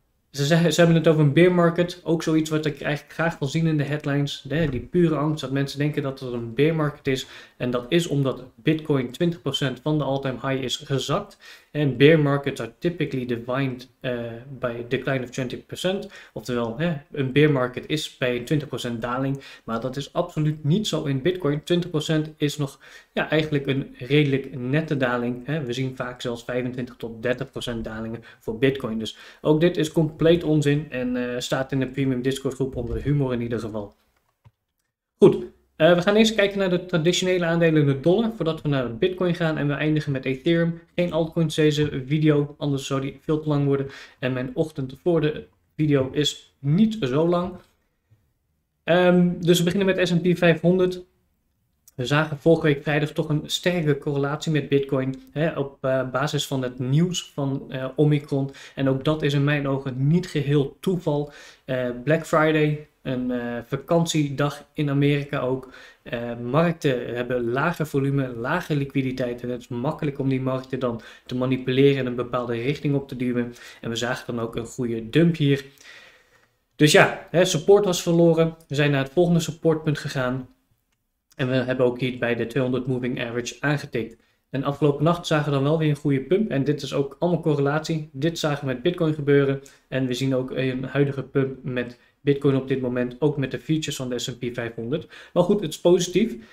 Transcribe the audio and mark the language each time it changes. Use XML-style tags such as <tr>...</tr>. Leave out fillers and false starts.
<nl>Ze hebben het over een bear market, ook zoiets wat ik eigenlijk graag wil zien in de headlines. Die pure angst dat mensen denken dat het een bear market is. En dat is omdat Bitcoin 20% van de all-time high is gezakt.</nl> <en>En bear markets are typically defined by a decline of 20%.</en> <nl>Oftewel, een bear market is bij een 20% daling. Maar dat is absoluut niet zo in Bitcoin. 20% is nog eigenlijk een redelijk nette daling. We zien vaak zelfs 25 tot 30% dalingen voor Bitcoin. Dus ook dit is compleet onzin en staat in de premium Discord groep onder humor in ieder geval. Goed. We gaan eerst kijken naar de traditionele aandelen, de dollar, voordat we naar Bitcoin gaan en we eindigen met Ethereum. Geen altcoins deze video, anders zou die veel te lang worden en mijn ochtend voor de video is niet zo lang. Dus we beginnen met S&P 500. We zagen vorige week vrijdag toch een sterke correlatie met Bitcoin op basis van het nieuws van Omicron. En ook dat is in mijn ogen niet geheel toeval. Black Friday, een vakantiedag in Amerika ook. Markten hebben lager volume, lager liquiditeit. En het is makkelijk om die markten dan te manipuleren en een bepaalde richting op te duwen. En we zagen dan ook een goede dump hier. Dus support was verloren. We zijn naar het volgende supportpunt gegaan. En we hebben ook hier bij de 200 moving average aangetikt. En afgelopen nacht zagen we dan wel weer een goede pump. En dit is ook allemaal correlatie. Dit zagen we met Bitcoin gebeuren. En we zien ook een huidige pump met Bitcoin op dit moment. Ook met de features van de S&P 500. Maar goed, het is positief.</nl>